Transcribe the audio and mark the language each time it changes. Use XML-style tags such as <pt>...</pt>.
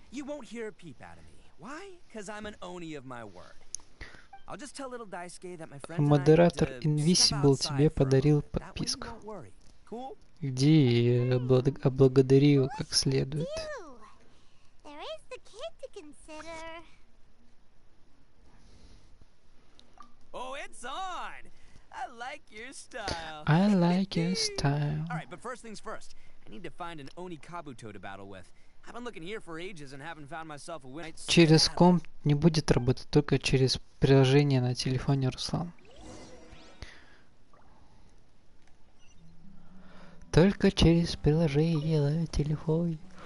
<en>You won't hear a peep out of me. Why? Because I'm an oni of my word. I'll just tell little Daisuke that my friend</en> <ru>Moderator Invisible тебе подарил подписку.</ru> <en>Cool?</en> <ru>Где облагодарил как следует?</ru> <en>There is the kid to consider. Oh, it's on. I like your style. I like your style. All right, but first things first. I need to find an Oni Kabuto to battle with. I've been looking here for ages and haven't found myself a winner.</en> <ru>Через комп не будет работать, только через приложение на телефоне, Руслан. Только через приложение на телефоне.</ru>